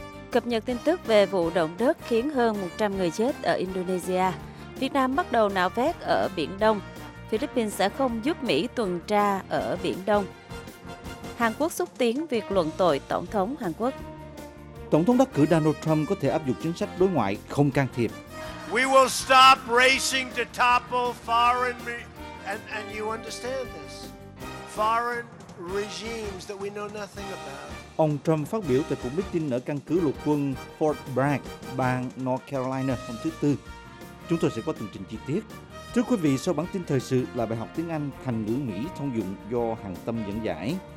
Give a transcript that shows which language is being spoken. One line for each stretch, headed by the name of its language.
Vietnamese: Cập nhật tin tức về vụ động đất khiến hơn 100 người chết ở Indonesia. Việt Nam bắt đầu nạo vét ở Biển Đông. Philippines sẽ không giúp Mỹ tuần tra ở Biển Đông. Hàn Quốc xúc tiến việc luận tội Tổng thống Hàn Quốc. Tổng thống đắc cử Donald Trump có thể áp dụng chính sách đối ngoại không can thiệp.
English: We will stop racing to topple foreign and you understand this. Foreign regimes that we know nothing about.
Vietnamese: Ông Trump phát biểu tại cuộc meeting ở căn cứ lục quân Fort Bragg, bang North Carolina hôm thứ Tư. Chúng tôi sẽ có tường trình chi tiết. Thưa quý vị, sau bản tin thời sự là bài học tiếng Anh thành ngữ Mỹ thông dụng do Hằng Tâm dẫn giải.